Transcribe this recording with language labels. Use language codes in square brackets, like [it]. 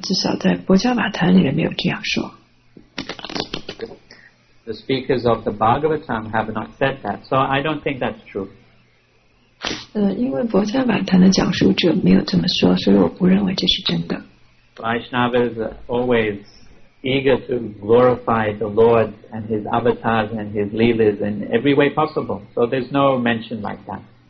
[zh] 至少在《博伽瓦坛》里面没有这样说。 [en] the speakers of the Bhagavatam have not said that, so I don't think that's true. [zh] 因为博伽瓦坛的讲述者没有这么说，所以我不认为这是真的。 [en] Vaishnava is always eager to glorify the Lord and his avatars and his leelas in every way possible, so there's no mention like that.